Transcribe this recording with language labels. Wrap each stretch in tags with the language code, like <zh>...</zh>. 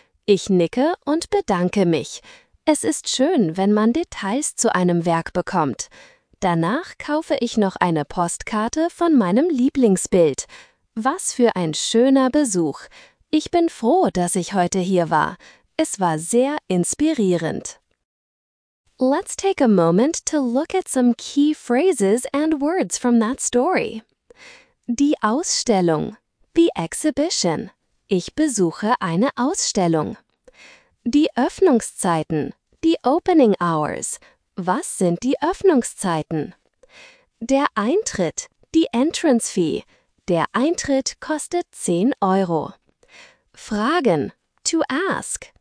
<de>Ich nicke und bedanke mich. Es ist schön, wenn man Details zu einem Werk bekommt. Danach kaufe ich noch eine Postkarte von meinem Lieblingsbild. Was für ein schöner Besuch! Ich bin froh, dass ich heute hier war. Es war sehr inspirierend.</de> <en>Let's take a moment to look at some key phrases and words from that story.</en> <de>Die Ausstellung. The exhibition. Ich besuche eine Ausstellung. Die Öffnungszeiten. The opening hours. Was sind die Öffnungszeiten? Der Eintritt, die Entrance Fee. Der Eintritt kostet 10 Euro. Fragen, to ask.</de>